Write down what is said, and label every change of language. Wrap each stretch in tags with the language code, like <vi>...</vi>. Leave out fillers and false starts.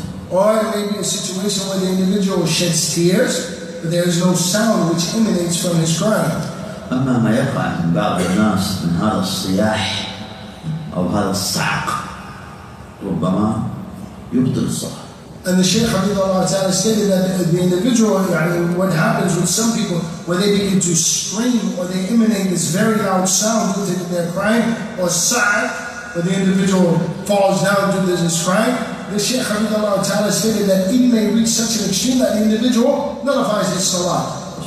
<en>Or it may be a situation where the individual sheds tears, but there is no sound which emanates from his crying.</en> <ar>أما ما يقع من بعض الناس من هذا الصياح أو هذا الصعق ربما يبطل الصلاة.</ar> <en>And the Shaykh Habibullah Ta'ala stated that the individual, what happens with some people, when they begin to scream or they emanate this very loud sound due to their crying or sa'ak, when the individual falls down due to this crying, the Shaykh Habibullah Ta'ala stated that it may reach such an extreme that the individual nullifies his salah.</en>